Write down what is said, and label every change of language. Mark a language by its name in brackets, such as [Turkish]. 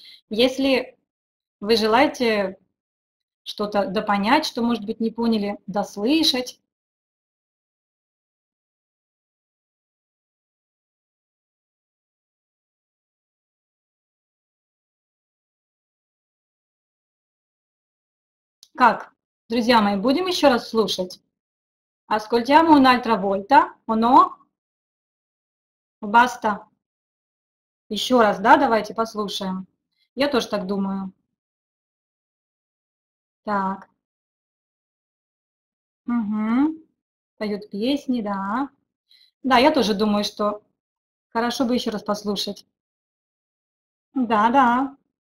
[Russian] Если вы желаете что-то допонять, что, может быть, не поняли, дослышать. Как, друзья мои, будем еще раз слушать? [Italian] Ascoltiamo un'altra volta, o no? Basta. [Russian] Еще раз, да, давайте послушаем. Я тоже так думаю. Так. Угу. Поют песни, да. Да, я тоже думаю, что хорошо бы еще раз послушать. Да, да.